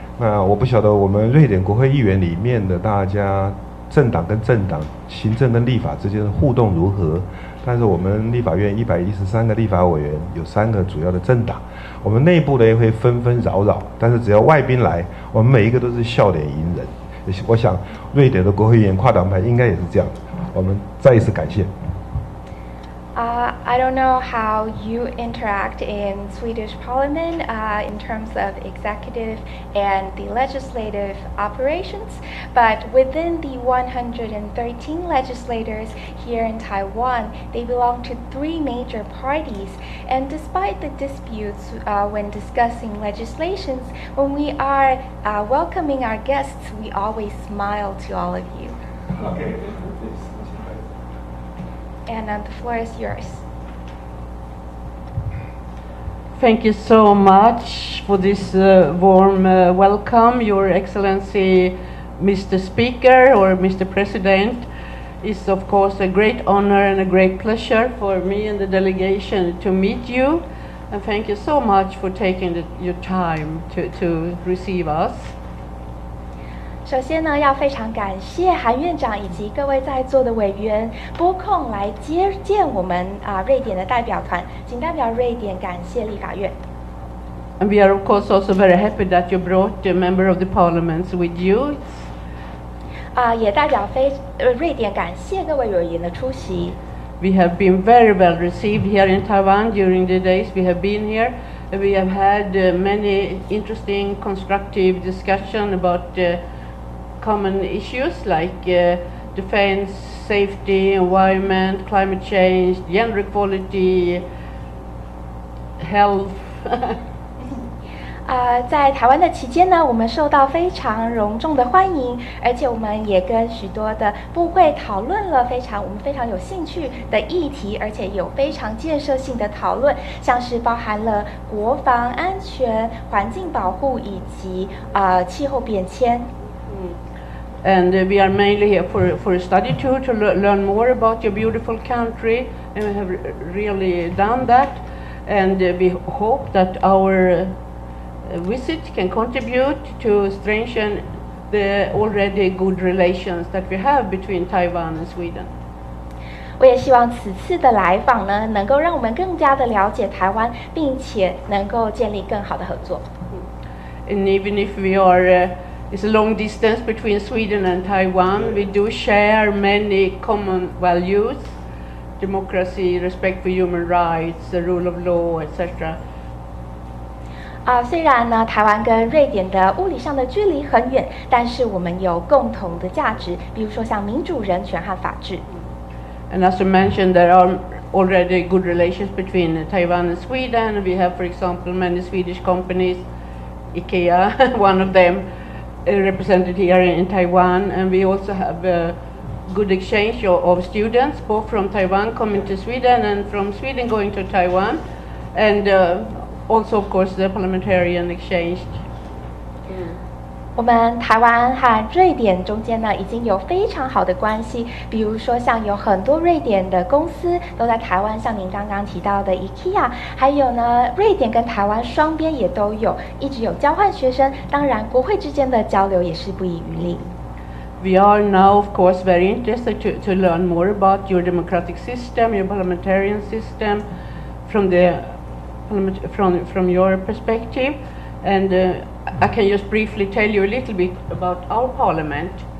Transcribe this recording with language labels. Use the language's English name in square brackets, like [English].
[Chinese] 那我不晓得我们瑞典国会议员里面的大家政党跟政党、行政跟立法之间的互动如何。但是我们立法院113个立法委员，有三个主要的政党，我们内部的也会纷纷扰扰，但是只要外宾来，我们每一个都是笑脸迎人。我想瑞典的国会议员跨党派应该也是这样。我们再一次感谢。 [English] I don't know how you interact in Swedish Parliament in terms of executive and the legislative operations, but within the 113 legislators here in Taiwan, they belong to three major parties. And despite the disputes when discussing legislations, when we are welcoming our guests, we always smile to all of you. Okay. And the floor is yours. Thank you so much for this warm welcome, Your Excellency, Mr. Speaker or Mr. President. It's of course a great honor and a great pleasure for me and the delegation to meet you. And thank you so much for taking your time to receive us. [Chinese] 首先呢，要非常感谢韩院长以及各位在座的委员拨空来接见我们瑞典的代表团，请代表瑞典感谢立法院。 [English] And we are of course also very happy that you brought the member of the parliament with you. [Chinese] 也代表瑞典感谢各位委员的出席。 [English] We have been very well received here in Taiwan during the days we have been here. We have had many interesting constructive discussion about common issues like defense, safety, environment, climate change, gender equality, health. [Chinese] 在台湾的期间呢，我们受到非常隆重的欢迎，而且我们也跟许多的部会讨论了我们非常有兴趣的议题，而且有非常建设性的讨论，像是包含了国防安全、环境保护以及气候变迁。 [English] And we are mainly here for a study tour to learn more about your beautiful country, and we have really done that. And we hope that our visit can contribute to strengthen the already good relations that we have between Taiwan and Sweden. [Chinese] 我也希望此次的来访呢，能够让我们更加的了解台湾，并且能够建立更好的合作。 [English] And even if we are It's a long distance between Sweden and Taiwan. We do share many common values, democracy, respect for human rights, the rule of law, etc. [Chinese] 虽然呢，台湾跟瑞典的物理上的距离很远，但是我们有共同的价值，比如说像民主、人权和法治。 [English] And as you mentioned, there are already good relations between Taiwan and Sweden. We have, for example, many Swedish companies, IKEA, one of them. Represented here in Taiwan, and we also have a good exchange of students, both from Taiwan coming to Sweden and from Sweden going to Taiwan, and also, of course, the parliamentarian exchange. [Chinese] 我们台湾和瑞典中间呢，已经有非常好的关系。比如说，像有很多瑞典的公司都在台湾，像您刚刚提到的 IKEA， 还有呢，瑞典跟台湾双边也都有一直有交换学生。当然，国会之间的交流也是不遗余力。 [English] We are now, of course, very interested to learn more about your democratic system, your parliamentarian system, from your perspective, and. I can just briefly tell you a little bit about our parliament.